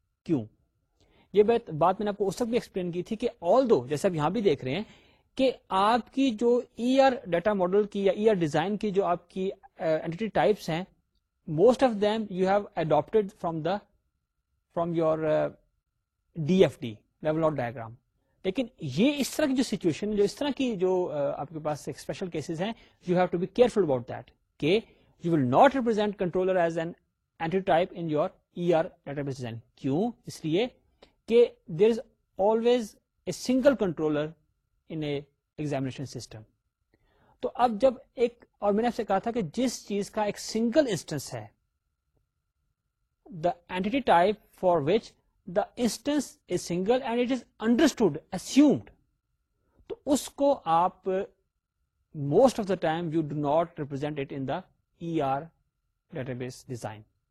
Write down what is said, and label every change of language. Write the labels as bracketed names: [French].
[Urdu] کیوں؟ یہ بات میں نے آپ کو اس وقت بھی explain کی تھی کہ although جیسے آپ یہاں بھی دیکھ رہے ہیں کہ آپ کی جو ER data model کی یا ER design کی جو آپ کی entity types ہیں [English] most of them you have adopted from your DFD level of diagram. [Urdu] لیکن یہ اس طرح کی جو سچویشن جو اس طرح کی جو آپ کے پاس اسپیشل کیسز ہیں [English] You have to be careful about that کہ you will not represent controller as an entity type in your ER database design. [Urdu] کیوں؟ اس لیے کہ [English] There is always a single controller in a examination system. [Urdu] تو اب جب ایک, اور میں نے آپ سے کہا تھا کہ جس چیز کا ایک سنگل انسٹنس ہے [English] the entity type for which the instance is single and it is understood assumed, [Urdu] تو اس کو آپ [English] Most of the time you do not represent it in the ER database design.